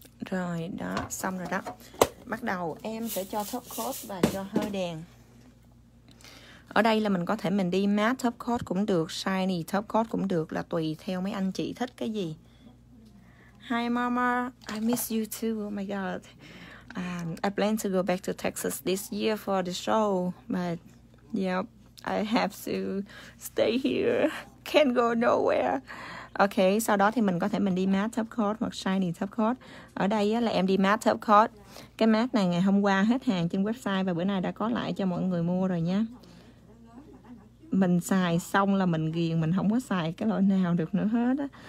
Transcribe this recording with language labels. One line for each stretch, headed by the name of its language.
Vietnamese: Rồi, đó, xong rồi đó. Bắt đầu em sẽ cho top coat và cho hơi đèn. Ở đây là mình có thể mình đi matte top coat cũng được, shiny top coat cũng được, là tùy theo mấy anh chị thích cái gì.
English: Hi mama, I miss you too. Oh my god. I plan to go back to Texas this year for the show, but yep, I have to stay here. Can't go nowhere.
Vietnamese: Ok, sau đó thì mình có thể mình đi matte top coat hoặc shiny top coat. Ở đây á, là em đi matte top coat. Cái matte này ngày hôm qua hết hàng trên website và bữa nay đã có lại cho mọi người mua rồi nha. Mình xài xong là mình ghiền, mình không có xài cái loại nào được nữa hết á.